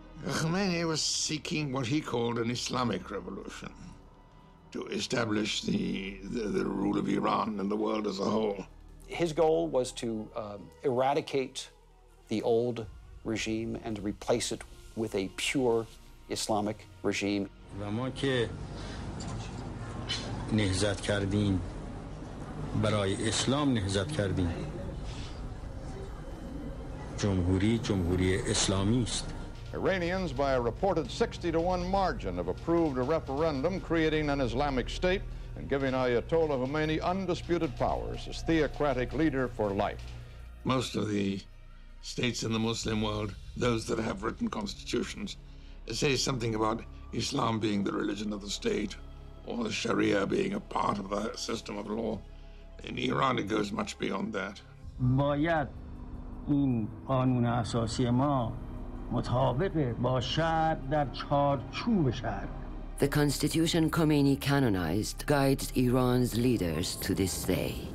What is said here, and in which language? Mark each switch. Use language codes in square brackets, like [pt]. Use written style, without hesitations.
[en] Khomeini was seeking what he called an Islamic revolution to establish the rule of Iran and the world as a whole. His goal was to eradicate the old regime and replace it with a pure Islamic regime. [fa] و ما که نهضت کردیم برای اسلام نهضت کردیم. جمهوری اسلامی است. [en] Iranians, by a reported 60-1 margin, have approved a referendum creating an Islamic state and giving Ayatollah Khomeini undisputed powers as theocratic leader for life. Most of the states in the Muslim world, those that have written constitutions, say something about Islam being the religion of the state or the Sharia being a part of the system of law. In Iran, it goes much beyond that. [fa] باید این قانون اساسی ما مطابق با شرع در چارچوب شرع. [en] The constitution Khomeini canonized guides Iran's leaders to this day.